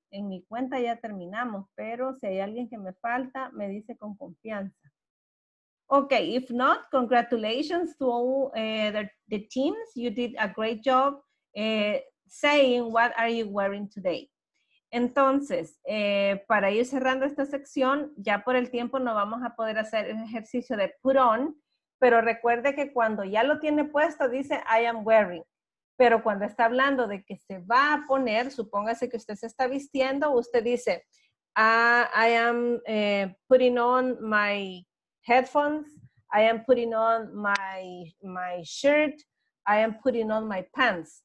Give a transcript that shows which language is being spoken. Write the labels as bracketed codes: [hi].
[es] En mi cuenta ya terminamos, pero si hay alguien que me falta, me dice con confianza. [en] Okay, if not, congratulations to all the teams. You did a great job saying what are you wearing today. [es] Entonces, para ir cerrando esta sección, ya por el tiempo no vamos a poder hacer el ejercicio de put on, pero recuerde que cuando ya lo tiene puesto dice [en] I am wearing. [es] Pero cuando está hablando de que se va a poner, supóngase que usted se está vistiendo, usted dice [en] I am putting on my headphones, I am putting on my shirt, I am putting on my pants.